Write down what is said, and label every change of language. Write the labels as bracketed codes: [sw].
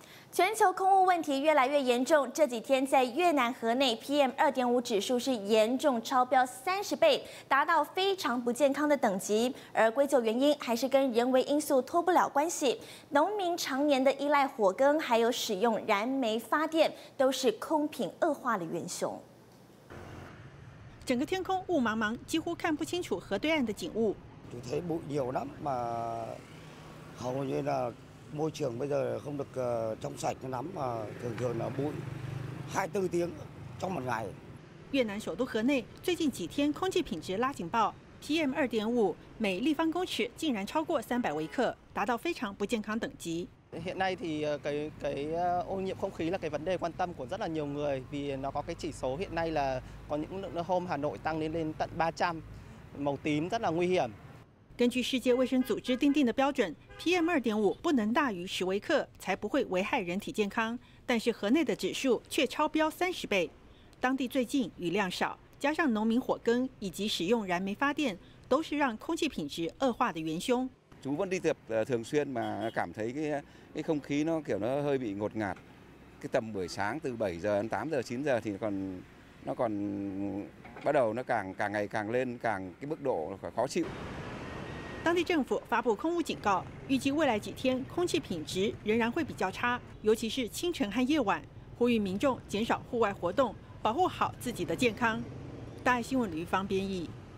[zh] 全球空污问题越来越严重，这几天在越南河内 PM2.5 指数是严重超标30倍，达到非常不健康的等级，而归咎原因还是跟人为因素脱不了关系。农民常年的依赖火耕还有使用燃煤发电，都是空品恶化的元凶。整个天空雾茫茫，几乎看不清楚河对岸的景物。就太不有了嘛，好越南 [vi] môi trường bây giờ không được trong sạch lắm mà thường thường là bụi 24 tiếng trong một ngày. [zh] 越南首都河内最近几天空气品质拉警报 ，PM2.5 每立方公尺竟然超过300微克，达到非常不健康等级。 [vi] Hiện nay thì cái ô nhiễm không khí là cái vấn đề quan tâm của rất là nhiều người vì nó có cái chỉ số hiện nay là có những lượng hôm Hà Nội tăng lên tận 300, màu tím rất là nguy hiểm. [zh] 根据世界卫生组织订定的标准 ，PM2.5 不能大于10微克，才不会危害人体健康。但是河内的指数却超标30倍。当地最近雨量少，加上农民火耕以及使用燃煤发电，都是让空气品质恶化的元凶。 [vi] chú vẫn đi tập thường xuyên mà cảm thấy cái không khí nó kiểu nó hơi bị ngột ngạt. cái tầm buổi sáng từ 7 giờ đến 8 giờ 9 giờ thì nó còn bắt đầu nó càng ngày càng lên càng cái mức độ khó chịu. [zh] 当地政府发布空污警告，预计未来几天空气品质仍然会比较差，尤其是清晨和夜晚，呼吁民众减少户外活动，保护好自己的健康。大爱新闻吕玉芳编译。